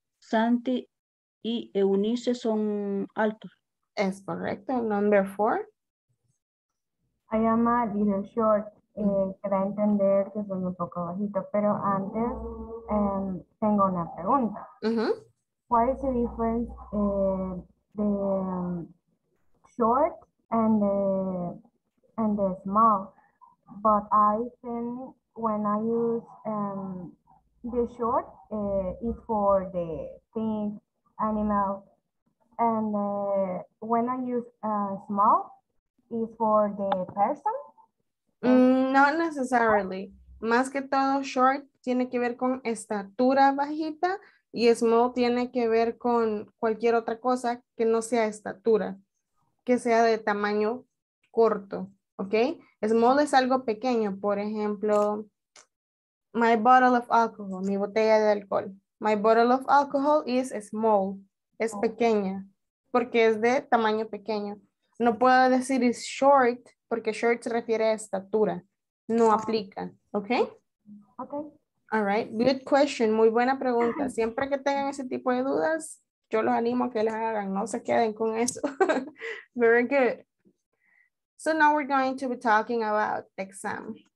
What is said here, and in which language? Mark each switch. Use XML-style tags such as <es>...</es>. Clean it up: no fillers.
<es>Santi y Eunice son altos. Es correcto.</es> <en>Number four. I am a little short.</en> <es>Para entender que soy un poco bajito, pero antes tengo una pregunta. Uh-huh.</es> <en>What is the difference the short and the small? But I think when I use the short, it's for the thing, animal, and when I use small, it's for the person. Not necessarily.</en> <es>más que todo short tiene que ver con estatura bajita y small tiene que ver con cualquier otra cosa que no sea estatura, que sea de tamaño corto, ¿ok? Small es algo pequeño, por ejemplo,</es> <en>my bottle of alcohol,</en> <es>mi botella de alcohol.</es> <en>My bottle of alcohol is small,</en> <es>es pequeña, porque es de tamaño pequeño. No puedo decir</es> <en>it's short,</en> <es>porque short se refiere a estatura. No aplica, ¿ok? Ok.</es> <en>All right, good question,</en> <es>muy buena pregunta. Siempre que tengan ese tipo de dudas, yo los animo a que las hagan, no se queden con eso.</es> <en>Very good. So now we're going to be talking about exam.</en>